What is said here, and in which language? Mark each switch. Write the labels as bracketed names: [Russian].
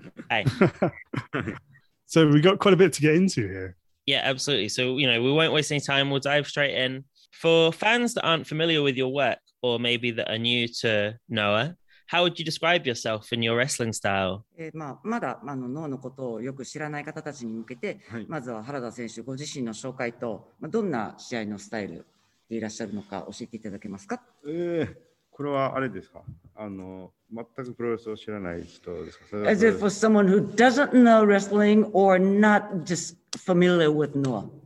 [English] Hey. So we got quite a bit to get into here. Yeah, absolutely. So, you know, we won't waste any time. We'll dive straight in. For fans that aren't familiar with your work or maybe that are new to Noah, how would you describe yourself and your wrestling style? [Japanese] まだ脳のことをよく知らない方たちに向けて、まずは原田選手ご自身の紹介と、どんな試合のスタイルでいらっしゃるのか教えていただけますか? これはあれですか?全く全くプロレスを知らない人ですか? [English] As if for someone who doesn't know wrestling or not just familiar with Noah.